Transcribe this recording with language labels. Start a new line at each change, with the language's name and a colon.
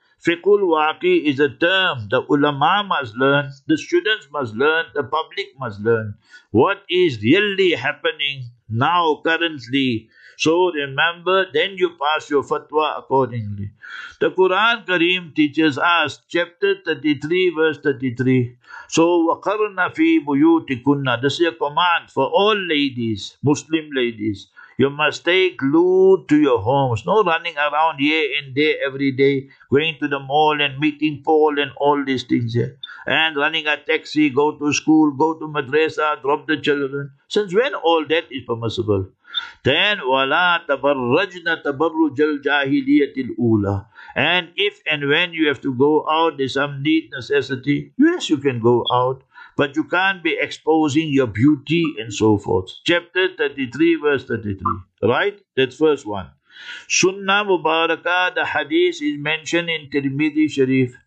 English: Fiqhul waqi is a term the ulama must learn, the students must learn, the public must learn. What is really happening now, currently? So remember, then you pass your fatwa accordingly. The Quran Kareem teaches us, chapter 33, verse 33. So,
Arabic: وَقَرْنَ فِي بُيُوتِكُنَّ.
English: This is a command for all ladies, Muslim ladies. You must take glued to your homes. No running around here and there every day, going to the mall and meeting Paul and all these things here. And running a taxi, go to school, go to madrasa, drop the children. Since when all that is permissible? Then,
Arabic: وَلَا تَبَرَّجْنَ تَبَرُّجَ الْجَاهِلِيَةِ الْأُولَى.
English: And if and when you have to go out, there's some need, necessity, yes, you can go out. But you can't be exposing your beauty and so forth. Chapter 33, verse 33. Right? That's first one. Sunnah Mubarakah, the hadith is mentioned in Tirmidhi Sharif.